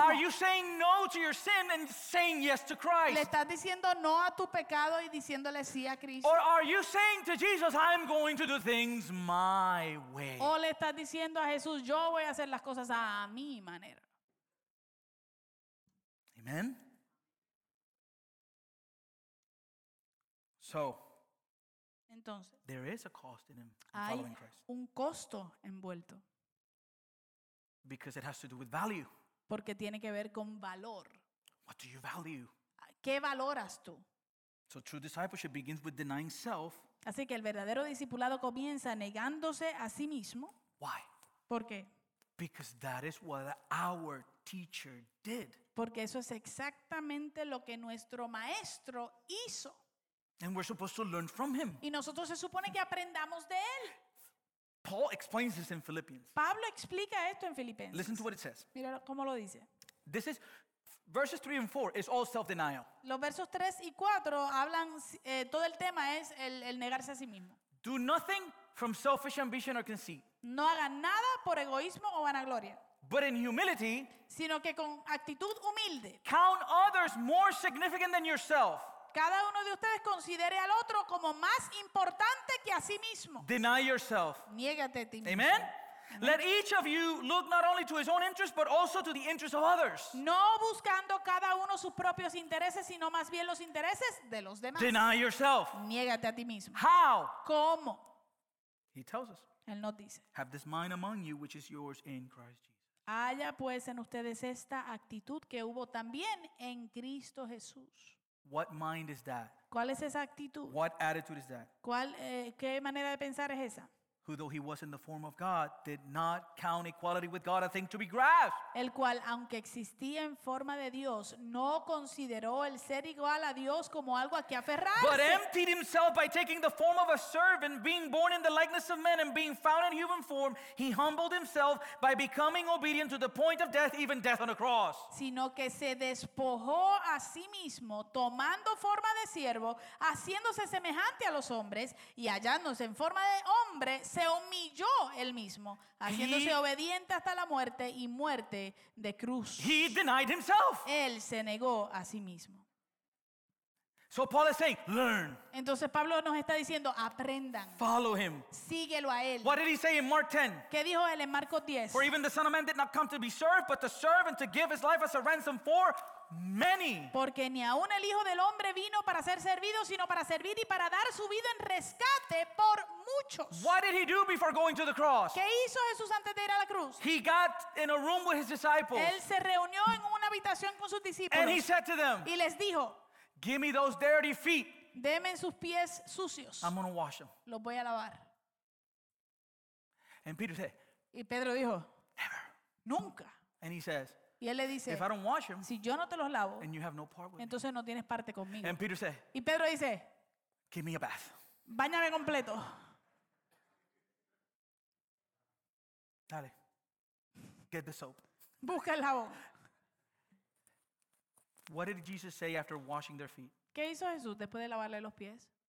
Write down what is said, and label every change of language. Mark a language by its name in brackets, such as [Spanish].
[English] Are you saying no to your sin and saying yes to Christ? [Spanish] ¿Le estás diciendo no a tu pecado y diciéndole sí a Cristo? [English] Or are you saying to Jesus, I'm going to do things my way? [Spanish] ¿O le estás diciendo a Jesús, yo voy a hacer las cosas a mi manera? [English] Amen. So, [Spanish] entonces, [English] there is a cost in him [Spanish] hay [English] following Christ. [Spanish] Un costo envuelto. [English] Because it has to do with value. [Spanish] Porque tiene que ver con valor. [English] What do you value? [Spanish] ¿Qué valoras tú? [English] So true discipleship begins with denying self. [Spanish] Así que el verdadero discipulado comienza negándose a sí mismo. [English] Why? [Spanish] ¿Por qué? [English] Because that is what our teacher did. [Spanish] Porque eso es exactamente lo que nuestro maestro hizo. [English] And we're supposed to learn from him. [Spanish] Y nosotros se supone que aprendamos de él. [English] Paul explains this in Philippians. [Spanish] Pablo explica esto en Filipenses. [English] Listen to what it says. [Spanish] Mira cómo lo dice. [English] This is verses 3 and 4 is all self-denial. [Spanish] Los versos 3 y 4 hablan todo el tema es el negarse a sí mismo. [English] Do nothing from selfish ambition or conceit. [Spanish] No hagan nada por egoísmo o vanagloria. [English] But in humility, [Spanish] sino que con actitud humilde. [English] Count others more significant than yourself. [Spanish] Cada uno de ustedes considere al otro como más importante que a sí mismo. [English] Deny yourself. [Spanish] Niégate a ti mismo. [English] Amen. Let each of you look not only to his own interest, but also to the interest of others. [Spanish] No buscando cada uno sus propios intereses, sino más bien los intereses de los demás. [English] Deny yourself. [Spanish] Niégate a ti mismo. [English] How? [Spanish] ¿Cómo? [English] He tells us. [Spanish] Él nos dice. [English] Have this mind among you, which is yours in Christ Jesus. [Spanish] Haya pues en ustedes esta actitud que hubo también en Cristo Jesús. [English] What mind is that? [Spanish] ¿Cuál es esa actitud? [English] What attitude is that? [Spanish] ¿Cuál, qué manera de pensar es esa? [English] Who though he was in the form of God, did not count equality with God a thing to be grasped. [Spanish] El cual, aunque existía en forma de Dios, no consideró el ser igual a Dios como algo a que aferrarse. [English] But emptied himself by taking the form of a servant, being born in the likeness of men and being found in human form, he humbled himself by becoming obedient to the point of death, even death on a cross. [Spanish] Sino que se despojó a sí mismo, tomando forma de siervo, haciéndose semejante a los hombres, y hallándose en forma de hombre, se humilló él mismo, haciéndose obediente hasta la muerte y muerte de cruz. [English] He denied himself. [Spanish] Él se negó a sí mismo. [English] So Paul is saying, learn. [Spanish] Entonces Pablo nos está diciendo, aprendan. [English] Follow him. [Spanish] Síguelo a él. [English] What did he say in Mark 10? [Spanish] ¿Qué dijo él en Marcos 10? [English] For even the Son of Man did not come to be served, but to serve and to give his life as a ransom for many. [Spanish] Porque ni aun el Hijo del Hombre vino para ser servido, sino para servir y para dar su vida en rescate por muchos. [English] What did he do before going to the cross? [Spanish] ¿Qué hizo Jesús antes de ir a la cruz? [English] He got in a room with his disciples. [Spanish] Él se reunió en una habitación con sus discípulos. [English] And he said to them, [Spanish] y les dijo, [English] give me those dirty feet. [Spanish] Deme sus pies sucios. [English] I'm going to wash them. [Spanish] Los voy a lavar. [English] And Peter said, [Spanish] y Pedro dijo, [English] never. [Spanish] Nunca. [English] And he says, [Spanish] y él le dice, [English] if I don't wash him, [Spanish] si yo no te los lavo, [English] and you have no part with [Spanish] entonces No tienes parte conmigo. [English] And Peter said, [Spanish] y Pedro dice, [English] give me a bath. [Spanish] Báñame completo. [English] Dale. Get the soap. [Spanish] Busca el jabón. [English] What did Jesus say after washing their feet? [Spanish] ¿Qué hizo Jesús después de lavarle los pies?